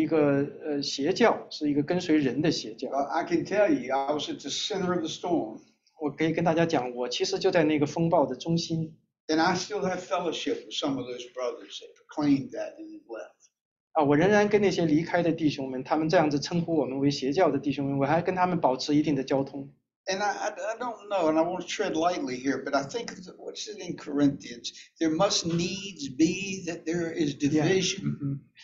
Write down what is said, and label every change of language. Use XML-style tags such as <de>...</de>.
<zh>那些离开的人，他们就称我们为一个邪教，是一个跟随人的邪教。</zh> <en>I can tell you, I was at the center of the storm.</en> <zh>我可以跟大家讲，我其实就在那个风暴的中心。And</zh> <en>I still have fellowship with some of those brothers that proclaimed that and left.</en> <zh>我仍然跟那些离开的弟兄们，他们这样子称呼我们为邪教的弟兄们，我还跟他们保持一定的交通。</zh> <en>And I don't know, and I won't tread lightly here, but I think, what's it in Corinthians? There must needs be that there is division,</en>